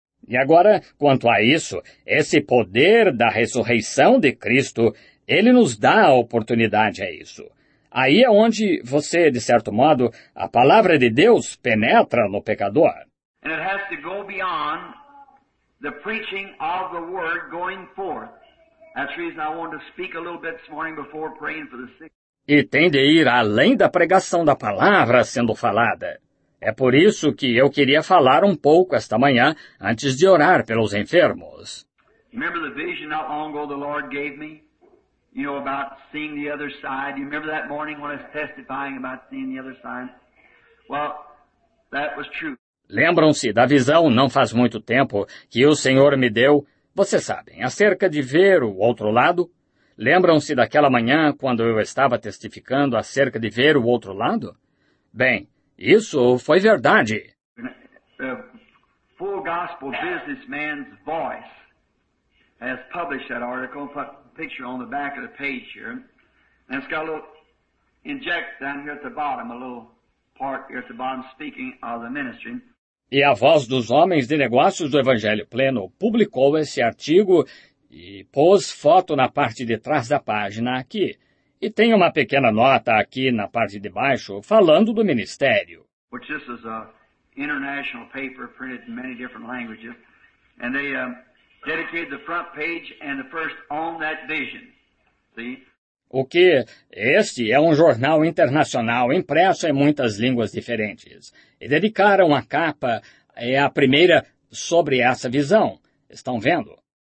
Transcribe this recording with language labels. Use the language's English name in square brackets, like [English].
[Portuguese] E agora, quanto a isso, esse poder da ressurreição de Cristo, ele nos dá a oportunidade a isso. Aí é onde você, de certo modo, a palavra de Deus penetra no pecador. [English] And it has to go beyond the preaching of the word going forth. That's the reason I wanted to speak a little bit this morning before praying for the sick. [Portuguese] E tem de ir além da pregação da palavra sendo falada. É por isso que eu queria falar um pouco esta manhã, antes de orar pelos enfermos. [English] Remember the vision not long ago the Lord gave me? You know, about seeing the other side. You remember that morning when I was testifying about seeing the other side? Well, that was true. [Portuguese] Lembram-se da visão, não faz muito tempo, que o Senhor me deu, vocês sabem, acerca de ver o outro lado? Lembram-se daquela manhã quando eu estava testificando acerca de ver o outro lado? Bem, isso foi verdade. [English] Full gospel businessman's voice has published that article, put a picture on the back of the page here. And it's got a little inject down here at the bottom, a little part here at the bottom speaking of the ministry. [Portuguese] E a Voz dos Homens de Negócios do Evangelho Pleno publicou esse artigo e pôs foto na parte de trás da página aqui. E tem uma pequena nota aqui na parte de baixo falando do ministério. [English] Which this is an international paper printed in many different languages. And they dedicated the front page and the first on that vision. See? [Portuguese] O que? Este é um jornal internacional impresso em muitas línguas diferentes. E dedicaram a capa, é a primeira, sobre essa visão. Estão vendo?